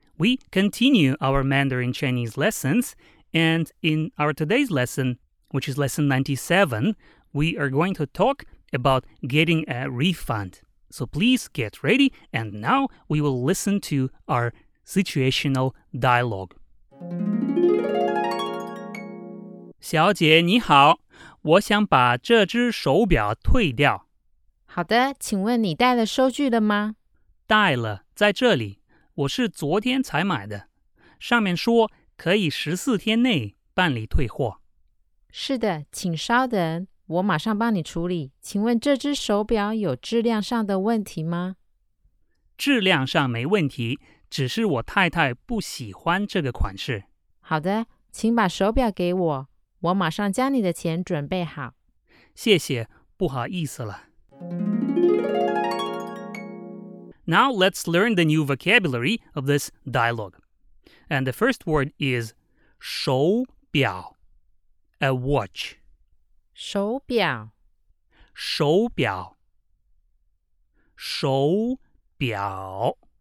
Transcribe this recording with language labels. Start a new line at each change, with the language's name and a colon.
English: We continue our Mandarin Chinese lessons, and in our today's lesson, which is lesson 97, we are going to talk about getting a refund. So please get ready, and now we will listen to our situational dialogue.
Chinese: 小姐你好，我想把这只手表退掉。好的，请问你带了收据的吗？带了，在这里。我是昨天才买的，上面说可以14天内办理退货。是的，请稍等，我马上帮你处理。请问这只手表有质量上的问题吗？质量上没问题，只是我太太不喜欢这个款式。好的，请把手表给我，我马上将你的钱准备好。谢谢，不好意思了。
English: Now let's learn the new vocabulary of this dialogue. And the first word is 手表, a watch.
Chinese: 手表, 手表, 手表.